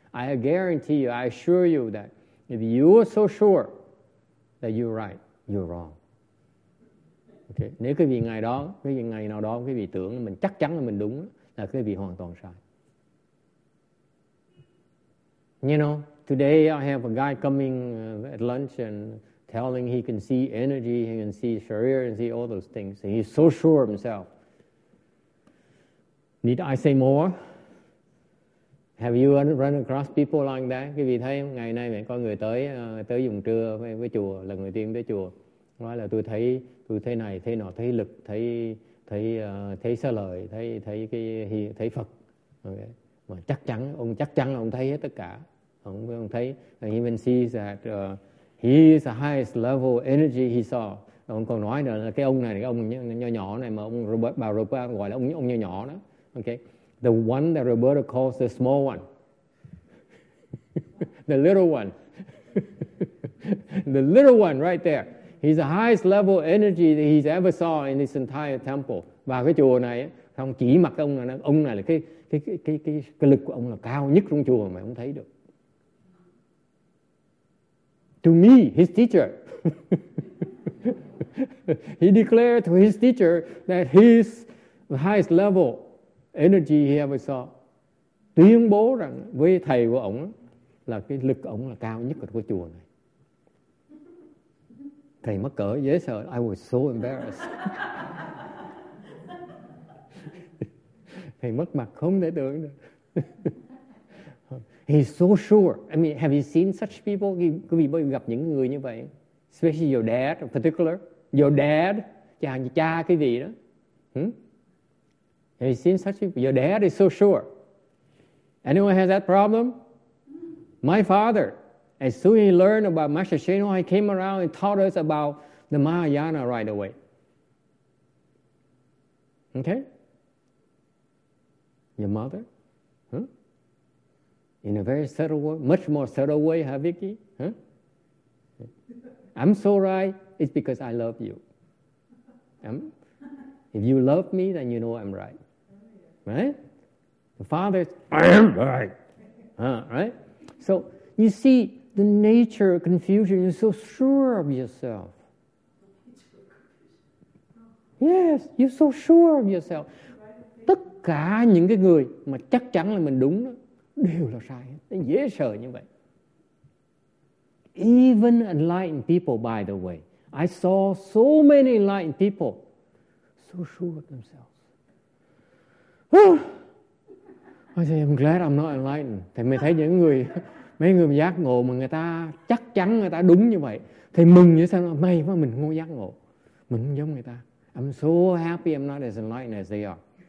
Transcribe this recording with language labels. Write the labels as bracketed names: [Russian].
[English] I guarantee you, I assure you that if you are so sure that you're right, you're wrong. Okay? [Vietnamese] Nếu quý vị ngày đó, quý vị ngày nào đó, quý vị tưởng là mình chắc chắn là mình đúng, là quý vị hoàn toàn sai. [English] You know? Today I have a guy coming at lunch and telling he can see energy, he can see Sharir and see all those things. And he's so sure of himself. Need I say more? Have you run across people like that? [Vietnamese] Quý vị thấy ngày nay có người tới tới dùng trưa với chùa, lần đầu tiên tới chùa. Nói là tôi thấy này, thấy nọ, thấy lực, thấy xa lời, thấy Phật. Okay. Mà chắc chắn là ông thấy hết tất cả. Ông thấy, [English] and he even sees that he is the highest level energy he saw. [Vietnamese] Ông còn nói nữa là cái ông này, cái ông nhỏ nhỏ này mà ông Robert, bà Robert gọi là ông nhỏ nhỏ đó. [English] Okay, the one that Robert calls the small one, the little one, the little one right there. He's the highest level energy that he's ever saw in this entire temple. [Vietnamese] Và cái chùa này, ông chỉ mặt cái ông này là cái lực của ông là cao nhất trong chùa mà ông thấy được. [English] To me, his teacher. He declared to his teacher that his highest level energy he ever saw. [Vietnamese] Tuyên bố rằng với thầy của ông là cái lực ông là cao nhất của chùa này. Thầy mắc cỡ dễ sợ. [English] I was so embarrassed. [Vietnamese] Thầy mất mặt không thể tưởng được. [English] He's so sure. I mean, have you seen such people? [Vietnamese] Quý vị bao giờ gặp những người như vậy? [English] Especially your dad in particular. Your dad, [Vietnamese] cha quý vị đó. [English] Have you seen such people? Your dad is so sure. Anyone has that problem? My father, as soon as he learned about Master Shenhua, he came around and taught us about the Mahayana right away. Okay? Your mother? in a very subtle way, much more subtle way, Haviki. Huh? I'm so right, it's because I love you. If you love me, then you know I'm right. Right? The father, I am right. Right? So you see, the nature of confusion, you're so sure of yourself. Yes, you're so sure of yourself. [Vietnamese] Tất cả những cái người mà chắc chắn là mình đúng đó, đều là sai. Nó dễ sợ như vậy. [English] Even enlightened people, by the way, I saw so many enlightened people so sure of themselves. I say, I'm glad I'm not enlightened. [Vietnamese] Thì mình thấy những người, mấy người giác ngộ mà người ta chắc chắn người ta đúng như vậy. Thì mừng như sao? May quá mình không giác ngộ. Mình không giống người ta. [English] I'm so happy I'm not as enlightened as they are.